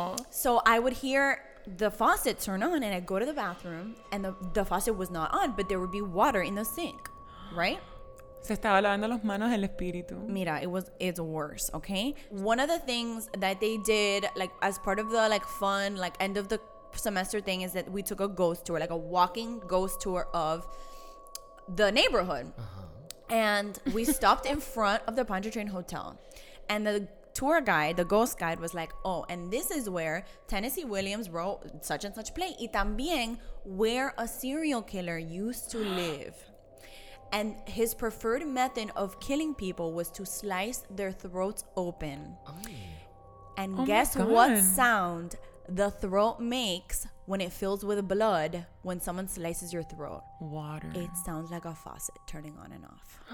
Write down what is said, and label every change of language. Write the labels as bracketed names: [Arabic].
[English] So I would hear the faucet turn on, and I'd go to the bathroom, and the faucet was not on, but there would be water in the sink, right? [Spanish] Se estaba lavando las manos el espíritu. [English] Mira, it's worse, okay? One of the things that they did, like, as part of the, like, fun, like, end of the semester thing is that we took a ghost tour, like, a walking ghost tour of the neighborhood. And we stopped in front of the Pontchartrain Hotel. And the tour guide, the ghost guide, was like, oh, and this is where Tennessee Williams wrote such and such play. [Spanish] Y también [English] where a serial killer used to live. And his preferred method of killing people was to slice their throats open. And guess what sound the throat makes when it fills with blood when someone slices your throat? Water. It sounds like a faucet turning on and off.